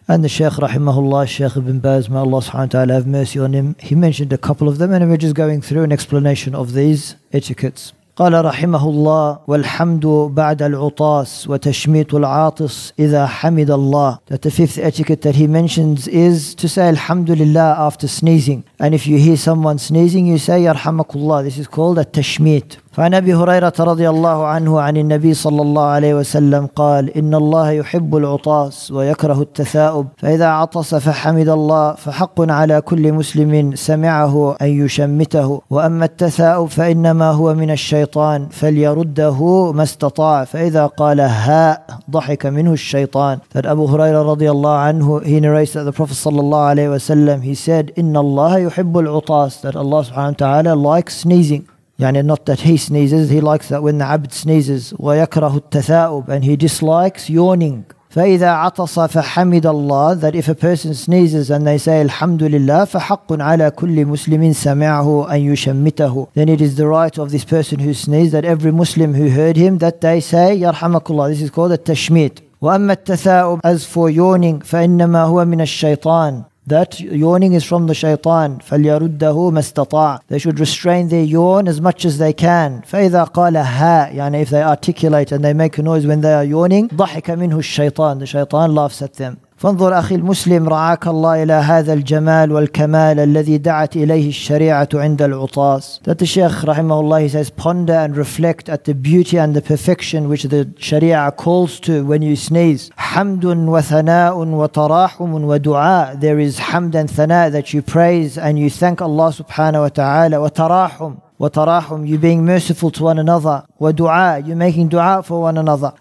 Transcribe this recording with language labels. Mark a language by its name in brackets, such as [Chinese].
[English] And the Sheikh, rahimahullah, Sheikh ibn Baz, may Allah subhanahu wa ta'ala have mercy on him, he mentioned a couple of them, and we're just going through an explanation of these etiquettes. [Arabic] قال رحمه الله والحمد بعد العطاس وتشميت العاطس إذا حمد الله. [English] That the fifth etiquette that he mentions is to say alhamdulillah after sneezing. And if you hear someone sneezing, you say yarhamakullah. This is called a tashmeet. [Arabic] فعن أبي هريرة رضي الله عنه عن النبي صلى الله عليه وسلم قال إن الله يحب العطاس ويكره التثاؤب فإذا عطس فحمد الله فحق على كل مسلم سمعه أن يشمته وأما التثاؤب فإنما هو من الشيطان فليرده ما استطاع فإذا قال هاء ضحك منه الشيطان. [English] That أبو هريرة رضي الله عنه, he narrates that the Prophet صلى الله عليه وسلم, he said [Arabic] إن الله يحب العطاس, [English] that Allah سبحانه وتعالى likes sneezing. يعني not that he sneezes, he likes that when the abd sneezes. [Arabic] ويكره التثاؤب, [English] and he dislikes yawning. [Arabic] فإذا عطس فحمد الله, [English] that if a person sneezes and they say [Arabic] الحمد لله فحق على كل مسلم سمعه أن يشمته, [English] then it is the right of this person who sneezes that every Muslim who heard him that they say [Arabic] يرحمك الله. [English] This is called a tashmeet. [Arabic] وأما التثاؤب, [English] as for yawning, [Arabic] فإنما هو من الشيطان. [English] That yawning is from the shaytan. [Arabic] فَلْيَرُدَّهُ مَسْتَطَاعَ. [English] They should restrain their yawn as much as they can. [Arabic] فَإِذَا قَالَ هَا, [English] يعني if they articulate and they make a noise when they are yawning, [Arabic] ضَحِكَ مِنْهُ الشَّيْطَانِ, [English] the shaytan laughs at them. [Arabic] فانظر أخي المسلم رعاك الله إلى هذا الجمال والكمال الذي دعت إليه الشريعة عند العطاس. [English] That the Sheikh رحمه الله, he says, ponder and reflect at the beauty and the perfection which the Sharia calls to when you sneeze. [Arabic] حمد وثناء وتراحم ودعاء. [English] There is حمد and ثناء, that you praise and you thank Allah سبحانه وتعالى. [Arabic] وتراحم, وتراحم, [English] you being merciful to one another. [Arabic] ودعاء, [English] you making دعاء for one another.